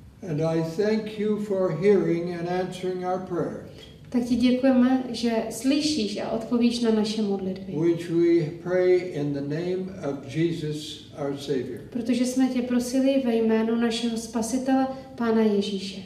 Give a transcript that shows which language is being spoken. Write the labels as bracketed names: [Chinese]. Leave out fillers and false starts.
[English] And I thank you for hearing and answering our prayer. [Czech] Tak ti děkujeme, že slyšíš a odpovíš na naše modlitby. [English] Which we pray in the name of Jesus, our Savior. [Czech] Protože jsme tě prosili ve jménu našeho Spasitele, Pána Ježíše.